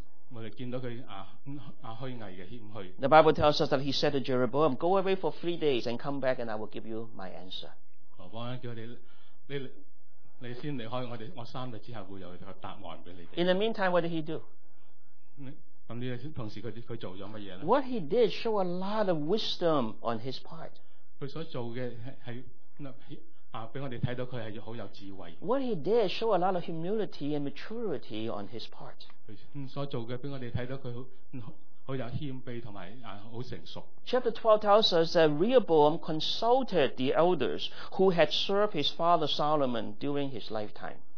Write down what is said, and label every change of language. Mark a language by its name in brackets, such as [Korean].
[Cantonese] 我哋見到佢虛偽嘅謙虛。 [English] The Bible tells us that he said to Jeroboam, "Go away for 3 days and come back, and I will give you my answer." [Cantonese] 我幫佢叫你先離開我三日之後會有個答案俾你。 [English] In the meantime, what did he do? [Cantonese] 咁呢？同時佢做咗乜嘢咧 [English] ？What he did show a lot of wisdom on his part. [Cantonese] 佢所做嘅係俾我哋睇到佢係好有智慧。 [English] What he did show a lot of humility and maturity on his part. [Cantonese] 佢所做嘅俾我哋睇到佢好有謙卑同埋好成熟。 [English] Chapter 12 tells us that Rehoboam consulted the elders who had served his father Solomon during his lifetime.